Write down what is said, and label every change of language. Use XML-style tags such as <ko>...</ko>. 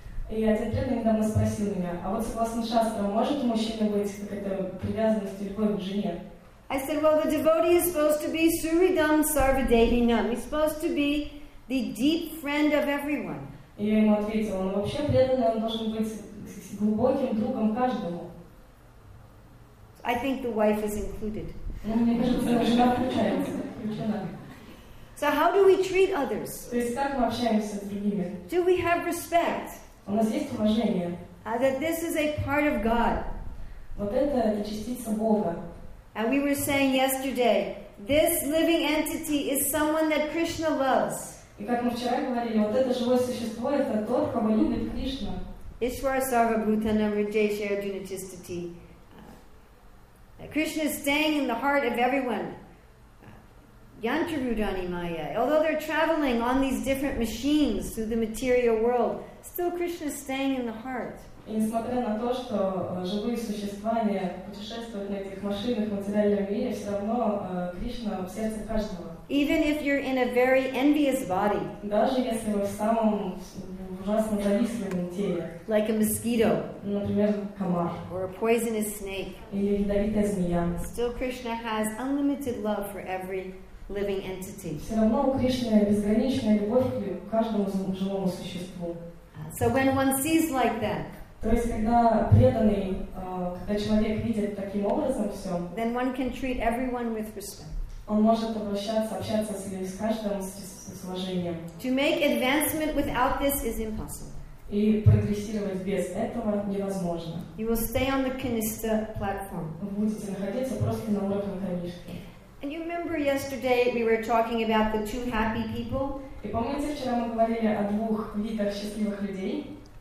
<ru>И один преданный недавно спросил меня, а вот согласно шастрам, может у мужчины быть какая-то привязанность или любовь к жене?</ru> <en>I said, well, the devotee is supposed to be</en> <sa>Suridam Sarvadevinam.</sa> <en>He's supposed to be the deep friend of everyone.</en> <ru>И я ему ответил, он вообще преданный, он должен быть глубоким другом каждому.</ru> <en>I think the wife is included.</en> <ru>Ну, мне кажется, жена включена.</ru> <en>So how do we treat others?</en> <ru>То есть как мы общаемся с другими?</ru> <en>Do we have respect?</en> <ru>У нас есть уважение.</ru> <en>That this is a part of God.</en> <ru>Вот это частица Бога.</ru> <en>And we were saying yesterday, this living entity is someone that Krishna loves.</en> <ru>И как мы вчера говорили, вот это живое существо, это тот, кого любит Кришна.</ru> <sa>Ishvara Sarva Bhutanam Rajesha Arjuna Chistati.</sa> <en>Krishna is staying in the heart of everyone.</en> <sa>Yantrarudani Maya.</sa> <en>Although they're traveling on these different machines through the material world, still Krishna is staying in the heart.</en> <ru>И несмотря на то, что живые существа не путешествуют на этих машинах в материальном мире, все равно Кришна в сердце каждого.</ru> <en>Even if you're in a very envious body.</en> <ru>Даже если вы в самом ужасно завистливом теле.</ru> <en>Like a mosquito.</en> <ru>Например, комар.</ru> <en>Or a poisonous snake.</en> <ru>Или ядовитая змея.</ru> <en>Still Krishna has unlimited love for every living entity.</en> <ru>Все равно у Кришны безграничная любовь к каждому живому существу.</ru> <en>So when one sees like that,</en> <ru>то есть когда преданный, когда человек видит таким образом все,</ru> <en>then one can treat everyone with respect.</en> <ru>Он может обращаться, общаться с каждым с уважением.</ru> <en>To make advancement without this is impossible.</en> <ru>И прогрессировать без этого невозможно.</ru> <en>You will stay on the kanista platform.</en> <ru>Вы будете находиться просто на уровне канишки.</ru> <en>And you remember yesterday we were talking about the two happy people?</en> <ru>И помните, вчера мы говорили о двух видах счастливых людей?</ru>